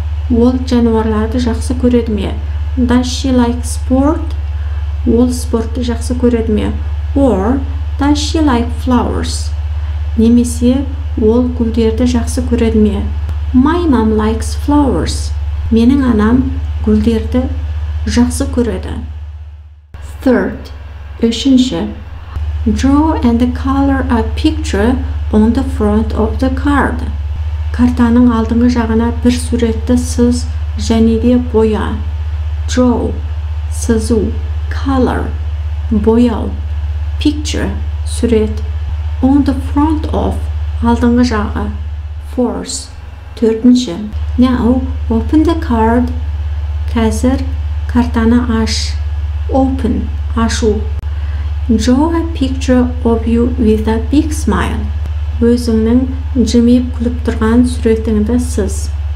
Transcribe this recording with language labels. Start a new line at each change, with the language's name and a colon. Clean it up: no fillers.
Kazakh: Ол жануарларды жақсы көреді ме?
English: Does she like sport?
Kazakh: Ол спортты жақсы көреді ме?
English: Or does she like flowers?
Kazakh: Немесе ол гүлдерді жақсы көреді ме?
English: My mom likes flowers.
Kazakh: Менің анам гүлдерді жақсы көреді.
English: Third,
Kazakh: үшінші.
English: Draw and color a picture on the front of the card.
Kazakh: Картаның алдыңғы жағына бір суретті сыз және де боя.
English: Draw,
Kazakh: сызу.
English: Color,
Kazakh: бояу.
English: Picture,
Kazakh: сурет.
English: On the front of,
Kazakh: алдыңғы жағы.
English: Fourth,
Kazakh: төртінші.
English: Now, open the card.
Kazakh: Қазір, картаны аш.
English: Open,
Kazakh: ашу.
English: Draw a picture of you with a big smile.
Kazakh: Өзіңнің жымиып күліп тұрған суретіңді сіз.